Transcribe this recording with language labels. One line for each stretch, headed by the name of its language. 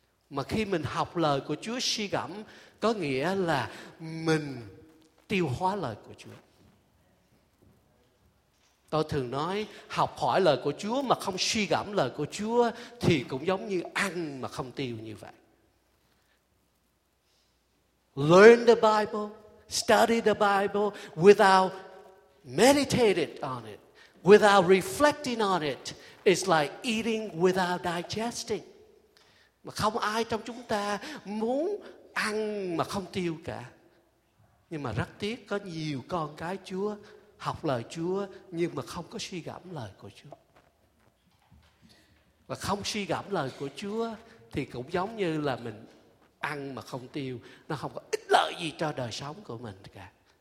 Vietnamese: Mà khi mình học lời của Chúa suy gẫm có nghĩa là mình tiêu hóa lời của Chúa. Tôi thường nói học hỏi lời của Chúa mà không suy gẫm lời của Chúa thì cũng giống như ăn mà không tiêu như vậy.
English: Learn the Bible, study the Bible without meditating on it, without reflecting on it, it's like eating without digesting.
Vietnamese: Mà không ai trong chúng ta muốn ăn mà không tiêu cả. Nhưng mà rất tiếc có nhiều con cái Chúa học lời Chúa nhưng mà không có suy gẫm lời của Chúa. Và không suy gẫm lời của Chúa thì cũng giống như là mình ăn mà không tiêu, nó không có ích lợi gì cho đời sống của mình cả.